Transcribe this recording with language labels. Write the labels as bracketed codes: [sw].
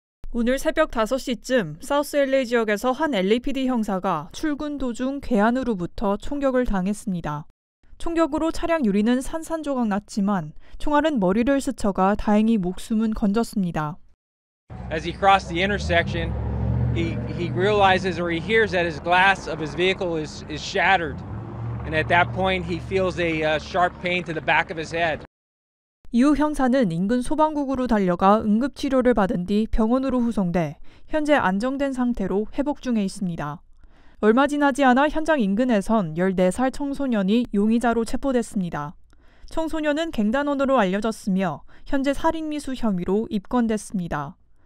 [ko] 오늘 새벽 5시쯤 사우스 LA 지역에서 한 LAPD 형사가 출근 도중 괴한으로부터 총격을 당했습니다. 총격으로 차량 유리는 산산조각 났지만 총알은 머리를 스쳐가 다행히 목숨은 건졌습니다. [en] As he crossed the intersection, he realizes or he hears that his glass of his vehicle is shattered. And at that point, he feels a sharp pain to the back of his head. [ko] 이후 형사는 인근 소방국으로 달려가 응급치료를 받은 뒤 병원으로 후송돼 현재 안정된 상태로 회복 중에 있습니다. 얼마 지나지 않아 현장 인근에선 14살 청소년이 용의자로 체포됐습니다. 청소년은 갱단원으로 알려졌으며 현재 살인미수 혐의로 입건됐습니다.